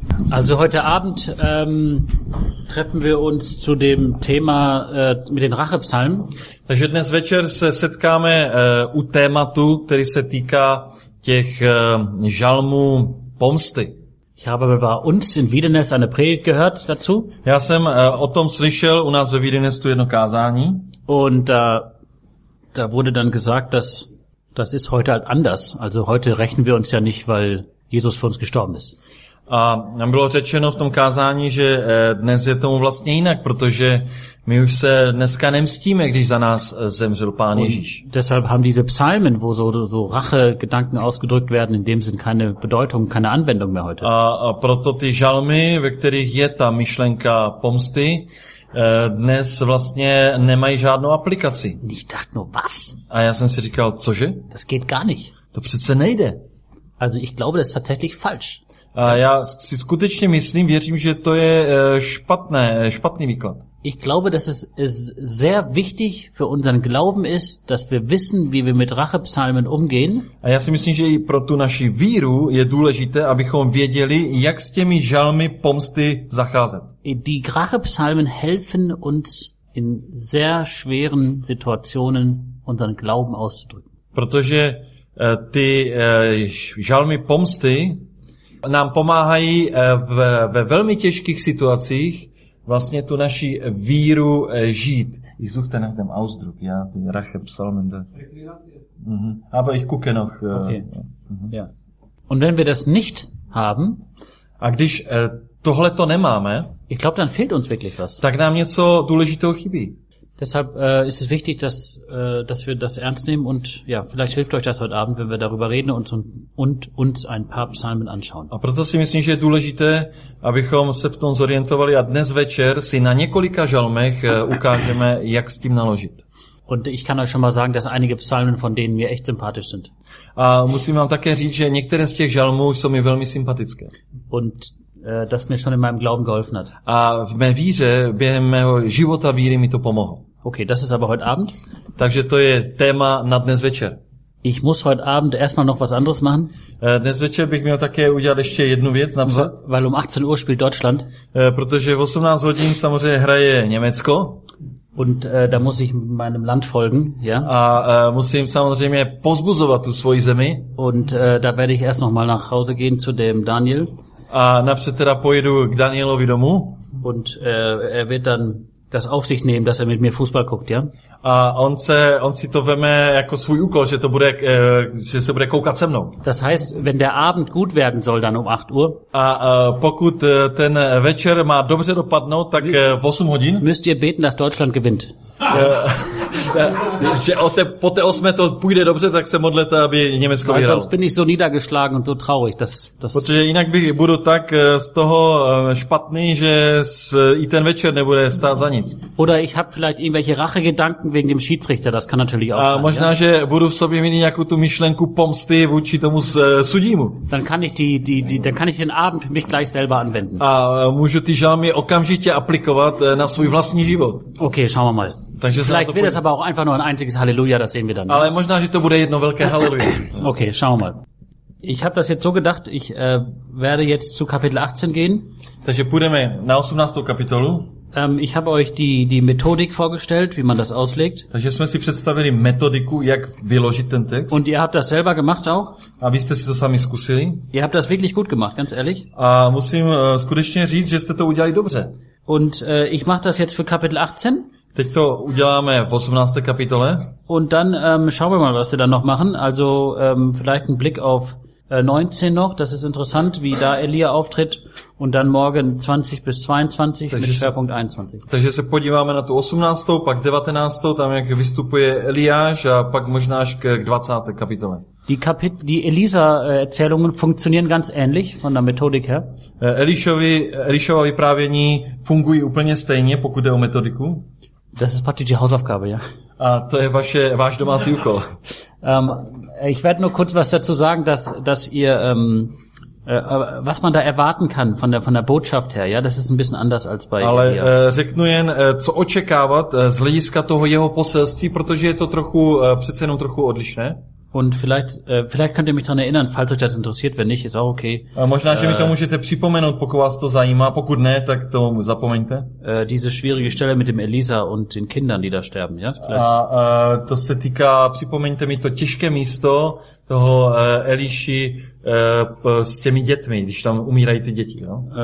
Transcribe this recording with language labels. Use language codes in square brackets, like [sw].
[de] Also heute Abend treffen wir uns zu dem Thema mit den Rachepsalmen. [cs] Takže dnes večer se setkáme u tématu, který se týká těch žalmů pomsty. [de] Ich habe bei uns in Wiedenest eine Predigt gehört dazu. [cs] Já jsem o tom slyšel u nás ve Wiedenestu jedno kázání. [de] Und da wurde dann gesagt, dass das ist heute halt anders. Also heute rechnen wir uns ja nicht, weil Jesus für uns gestorben ist. [cs] A nám bylo řečeno v tom kázání, že dnes je tomu vlastně jinak, protože my už se dneska nemstíme, když za nás zemřel Pán Ježíš. [de] Und deshalb haben diese Psalmen, wo so rache Gedanken ausgedrückt werden, in dem sind keine Bedeutung, keine Anwendung mehr heute. [cs] A proto ty žalmy, ve kterých je ta myšlenka pomsty, dnes vlastně nemají žádnou aplikaci. [de] Ich dachte nur, was? [cs] A já jsem si říkal, cože? [de] Das geht gar nicht. [cs] To přece nejde. [de] Also ich glaube, das ist tatsächlich falsch. [cs] A já si skutečně myslím, věřím, že to je špatný výklad. [de] Ich glaube, dass es sehr wichtig für unseren Glauben ist, dass wir wissen, wie wir mit Rachepsalmen umgehen. [cs] A já si myslím, že i pro tu naši víru je důležité, abychom věděli, jak s těmi žalmy pomsty zacházet. [de] Die Rachepsalmen helfen uns in sehr schweren Situationen unseren Glauben auszudrücken. [cs] Protože ty žalmy pomsty nám pomáhají ve velmi těžkých situacích vlastně tu naši víru žít. [de] Ich suchte nach dem Ausdruck, ja, die Rachepsalmen da. Aber ich gucke noch. Ja. Und wenn wir das nicht haben, [cs] a když tohle to nemáme, [de] ich glaube, dann fehlt uns wirklich was. [cs] Tak nám něco důležitého chybí. [de] Deshalb ist es wichtig, dass wir das ernst nehmen und ja, vielleicht hilft euch das heute Abend, wenn wir darüber reden und uns ein paar Psalmen anschauen. [cs] A proto si myslím, že je důležité, abychom se v tom zorientovali a dnes večer si na několika žalmech ukážeme, jak s tím naložit. [de] Und ich kann euch schon mal sagen, dass einige Psalmen von denen mir echt sympathisch sind. [cs] A musím vám také říct, že některé z těch žalmů jsou mi velmi sympatické. [de] Und das mir schon in meinem Glauben geholfen hat. [cs] A v mé víře, během mého života víry mi to pomohlo. [de] Okay, das ist aber heute Abend. [cs] Takže to je téma na dnes večer. [de] Ich muss heute Abend erstmal noch was anderes machen. [cs] Dnes večer bych měl také udělat ještě jednu věc napřed. [de] Weil 18 Uhr spielt Deutschland. [cs] Protože v 18 hodin samozřejmě hraje Německo. [de] Und da muss ich meinem Land folgen, ja. [cs] A musím samozřejmě pozbuzovat tu svoji zemi. [de] Und da werde ich erst noch mal nach Hause gehen zu dem Daniel. [cs] A napřed teda pojedu k Danielovi domů. [de] Und er wird dann das auf sich nehmen, dass er mit mir Fußball guckt, ja? [cs] A on si to veme jako svůj úkol, že to bude že se bude koukat se mnou. [de] Das heißt, wenn der Abend gut werden soll dann 8 Uhr. [cs] A pokud ten večer má dobře dopadnout, tak v 8 hodin. [de] Müsst ihr beten, dass Deutschland gewinnt. [cs] Že po té osmé to půjde dobře, tak se modlete, aby Německo vyhrálo. [de] Sonst bin ich so niedergeschlagen und so traurig. Das [cs] protože jinak bych budu tak z toho špatný, že i ten večer nebude stát za nic. [de] Oder ich habe vielleicht irgendwelche Rachegedanken wegen dem Schiedsrichter, das kann natürlich auch [cs] a [de] sein. [cs] A možná, [de] ja? [cs] Že budu v sobě mít nějakou tu myšlenku pomsty vůči tomu sudímu. [de] Dann kann ich den Abend für mich gleich selber anwenden. [cs] A můžu ty žalmy okamžitě aplikovat na svůj vlastní život. [de] Okay, schauen wir mal. [cs] Takže [de] vielleicht wird es aber auch einfach nur ein einziges Halleluja, das sehen wir dann. [cs] Ale možná, že to bude jedno velké Halleluja. [de] Okay, schauen wir mal. Ich habe das jetzt so gedacht, ich werde jetzt zu Kapitel 18 gehen. [cs] Takže půjdeme na 18. kapitolu. [de] Ich habe euch die Methodik vorgestellt, wie man das auslegt. [cs] Takže jsme si představili metodiku, jak vyložit ten text. [de] Und ihr habt das selber gemacht auch. [cs] A vy jste si to sami zkusili. [de] Ihr habt das wirklich gut gemacht, ganz ehrlich. [cs] A musím skutečně říct, že jste to udělali dobře. [de] Und ich mache das jetzt für Kapitel 18. [cs] Teď to uděláme v 18. kapitole. [de] Und dann schauen wir mal, was wir dann noch machen. Also vielleicht ein Blick auf 19 noch. Das ist interessant, wie da Elia auftritt. Und dann morgen 20 bis 22 [cs] takže [de] mit Schwerpunkt 21. [cs] Takže se podíváme na tu 18. pak 19. tam jak vystupuje Eliáš a pak možná až k 20. kapitole. [de] Die Elisa-Erzählungen funktionieren ganz ähnlich von der Methodik her. [cs] Elišova vyprávění fungují úplně stejně, pokud jde o metodiku. [de] Das ist praktisch die Hausaufgabe, ja. [cs] A to je váš domácí úkol. [de] Ich werde nur kurz was dazu sagen, dass ihr was man da erwarten kann von der Botschaft her, ja, das ist ein bisschen anders als bei [cs] Ale řeknu jen co očekávat z hlediska toho jeho poselství, protože je to trochu přece jenom trochu odlišné. [de] Und vielleicht könnt ihr mich daran erinnern, falls euch das interessiert, wenn nicht, ist auch okay. [cs] Možná, že mi to můžete připomenout, pokud vás to zajímá, pokud ne, tak to zapomeňte. [de] Diese schwierige Stelle mit dem Elisa und den Kindern, die da sterben, ja? Vielleicht. [cs] To se týká, připomeňte mi to těžké místo toho Eliši s těmi dětmi, když tam umírají ty děti, jo?